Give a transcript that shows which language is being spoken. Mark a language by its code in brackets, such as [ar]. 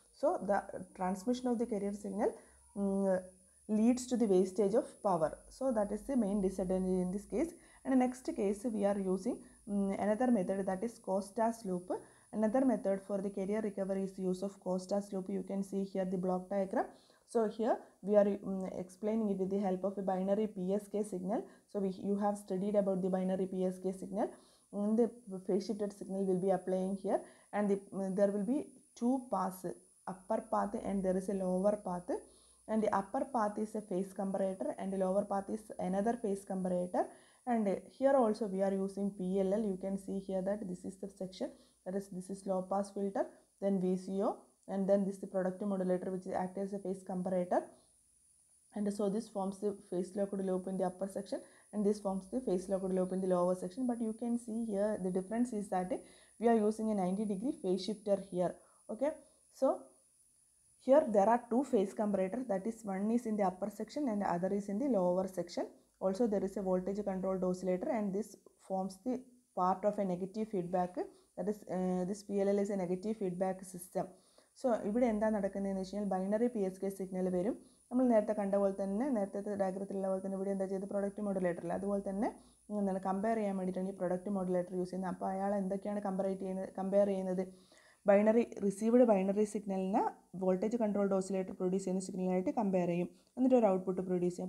[en] So the transmission of the carrier signal leads to the wastage of power. So that is the main disadvantage in this case. And next case we are using another method, that is Costas loop. Another method for the carrier recovery is use of Costas loop. You can see here the block diagram. So here we are explaining it with the help of a binary PSK signal. So you have studied about the binary PSK signal. And the phase shifted signal will be applying here. And there will be two paths, upper path and there is a lower path. And the upper path is a phase comparator and the lower path is another phase comparator. And here also we are using PLL. You can see here that this is the section. That is, this is low pass filter, then VCO. And then this is the productive modulator which acts as a phase comparator. And so this forms the phase locked loop in the upper section. And this forms the phase locked loop in the lower section. But you can see here the difference is that we are using a 90 degree phase shifter here. Okay. So here there are two phase comparators. That is, one is in the upper section and the other is in the lower section. Also there is a voltage controlled oscillator. And this forms the part of a negative feedback. That is, this PLL is a negative feedback system. [ml] So ഇവിടെ എന്താ നടക്കുന്നതെന്ന് വെച്ച് കഴിഞ്ഞാൽ binary PSK signal വരും. നമ്മൾ നേരത്തെ കണ്ട പോലെ തന്നെ, നേരത്തെ ഡയഗ്രത്തിലുള്ള പോലെ തന്നെ, ഇവിടെ എന്താ ചെയ്ത് പ്രൊഡക്റ്റ് മോഡുലേറ്ററിൽ അതുപോലെ തന്നെ എന്താണ് കമ്പയർ ചെയ്യാൻ വേണ്ടിയിട്ടാണ് ഈ പ്രൊഡക്റ്റ് മോഡുലേറ്റർ യൂസ് ചെയ്യുന്നത്. അപ്പോൾ അയാൾ എന്തൊക്കെയാണ് കമ്പയർ ചെയ്യുന്നത് binary received binary സിഗ്നലിന് voltage controlled oscillator produce ചെയ്യുന്ന സിഗ്നലായിട്ട് കമ്പയർ ചെയ്യും, എന്നിട്ട് ഒരു ഔട്ട്പുട്ട് പ്രൊഡ്യൂസ് ചെയ്യും.